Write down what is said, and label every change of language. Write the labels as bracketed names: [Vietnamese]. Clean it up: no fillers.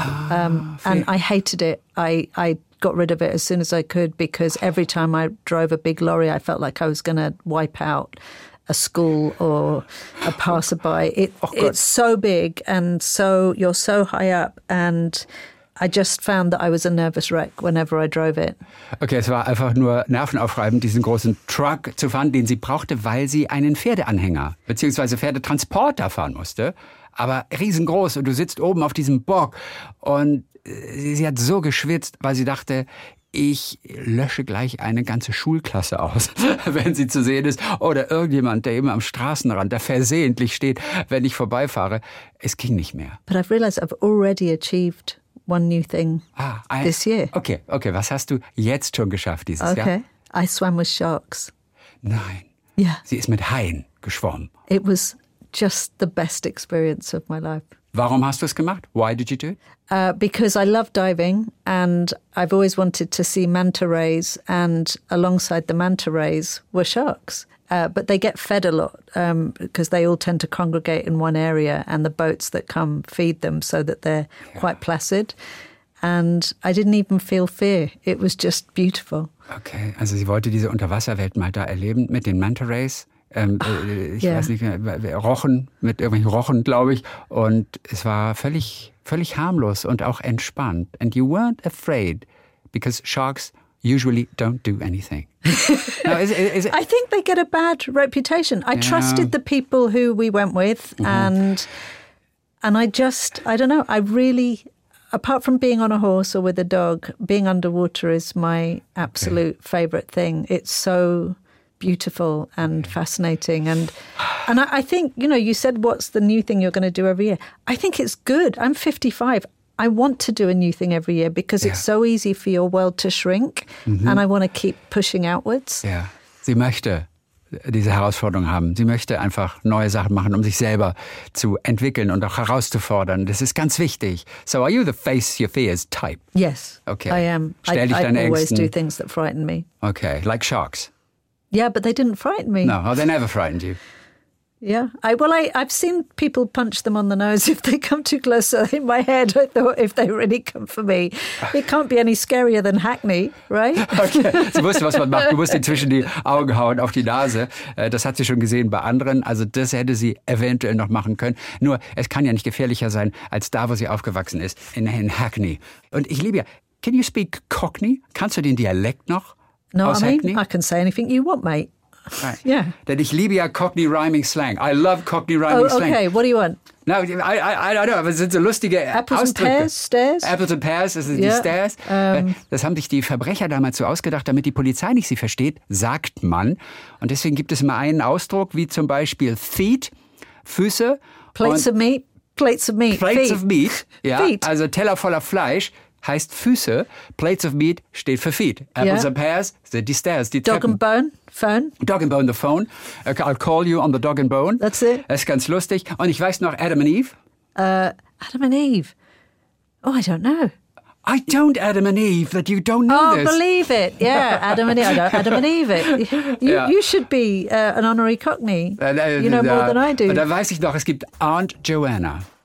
[English] And I hated it. I got rid of it as soon as I could, because every time I drove a big lorry, I felt like I was going to wipe out a school or a passerby. It's so big and so you're so high up, and I just found that I was a nervous wreck whenever I drove it. [German] Okay, es war einfach nur nervenaufreibend, diesen großen Truck zu fahren, den sie brauchte, weil sie einen Pferdeanhänger bzw. Pferdetransporter fahren musste. Aber riesengroß, und du sitzt oben auf diesem Bock, und sie hat so geschwitzt, weil sie dachte, ich lösche gleich eine ganze Schulklasse aus, wenn sie zu sehen ist. Oder irgendjemand, der eben am Straßenrand da versehentlich steht, wenn ich vorbeifahre. Es ging nicht mehr. [English] But I've realized I've already achieved one new thing this year. Okay. [German] Was hast du jetzt schon geschafft dieses Jahr? [English] Okay, I swam with sharks. [German] Nein. [English] Yeah. [German] Sie ist mit Haien geschwommen. [English] It was just the best experience of my life. [German] Warum hast du es gemacht? [English] Why did you do it? Because I love diving and I've always wanted to see manta rays, and alongside the manta rays were sharks. But they get fed a lot because they all tend to congregate in one area, and the boats that come feed them so that they're quite placid. And I didn't even feel fear. It was just beautiful. [German] Okay, also sie wollte diese Unterwasserwelt mal da erleben mit den Manta Rays. Weiß nicht mehr, Rochen, mit irgendwelchen Rochen, glaube ich. Und es war völlig, völlig harmlos und auch entspannt. [English] And you weren't afraid, because sharks usually don't do anything. Now, I think they get a bad reputation. I trusted the people who we went with. Mm-hmm. And I just, I don't know, I really... Apart from being on a horse or with a dog, being underwater is my absolute favorite thing. It's so beautiful and fascinating. And I think, you know, you said, what's the new thing you're going to do every year? I think it's good. I'm 55. I want to do a new thing every year because it's so easy for your world to shrink. Mm-hmm. And I want to keep pushing outwards. [German] Yeah. Sie möchte diese Herausforderung haben. Sie möchte einfach neue Sachen machen, um sich selber zu entwickeln und auch herauszufordern. Das ist ganz wichtig. [English] So are you the face your fears type? Yes, okay. I am. [German] Stell dich deine Ängsten. [English] I always do things that frighten me. Okay, like sharks. Yeah, but they didn't frighten me. No, oh, they never frightened you. Yeah, I've seen people punch them on the nose if they come too close. So in my head, I thought if they really come for me, it can't be any scarier than Hackney, right? [German] Okay, sie wusste, was man macht. Du musst inzwischen die Augen hauen auf die Nase. Das hat sie schon gesehen bei anderen. Also das hätte sie eventuell noch machen können. Nur, es kann ja nicht gefährlicher sein als da, wo sie aufgewachsen ist, in Hackney. Und ich liebe ja, [English] can you speak Cockney? [German] Kannst du den Dialekt noch [English] no, [German] aus [English] I mean, Hackney? I can say anything you want, mate. Right. Yeah. [German] Denn ich liebe ja Cockney Rhyming Slang. [English] I love Cockney Rhyming Slang. Oh, okay. What do you want? No, I don't know. [German] Aber es sind so lustige [English] Apples [German] Ausdrücke. [English] Apples and Pears, Stairs. [German] Apples and Pears, das sind die Stairs. Das haben sich die Verbrecher damals so ausgedacht, damit die Polizei nicht sie versteht, sagt man. Und deswegen gibt es immer einen Ausdruck, wie zum Beispiel Feet, Füße. [English] Plates of meat. [German] Ja, [English] feet. [German] Also Teller voller Fleisch. Heißt Füße, Plates of Meat steht für Feet. Apples and Pears sind die Stairs, die [English] Dog [German] Treppen. [English] Dog and Bone, Phone. Dog and Bone, the phone. Okay, I'll call you on the Dog and Bone. That's it. [German] Das ist ganz lustig. Und ich weiß noch Adam and Eve. [English] Adam and Eve. Oh, I don't know. I don't Adam and Eve, that you don't know oh, this. Oh, believe it. Yeah, Adam and Eve. I don't Adam and Eve it. You should be an honorary Cockney. You know more than I do. [German] Und da weiß ich noch, es gibt Aunt Joanna.